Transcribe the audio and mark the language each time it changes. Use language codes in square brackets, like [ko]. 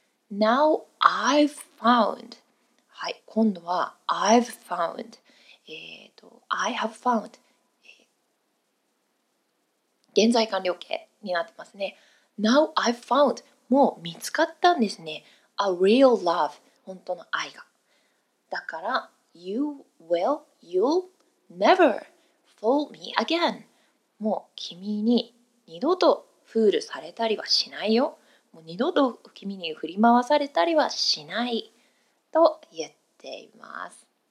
[en] Now I've found. [ja] はい、今度は [en] I've found. [ja] I have found、現在完了形になってますね。 [en] Now I found、 [ja] もう見つかったんですね。 [en] A real love、 [ja] 本当の愛が。だから [en] You'll never fool me again、 [ja] もう君に二度とフールされたりはしないよ。もう二度と君に振り回されたりはしないと言っています。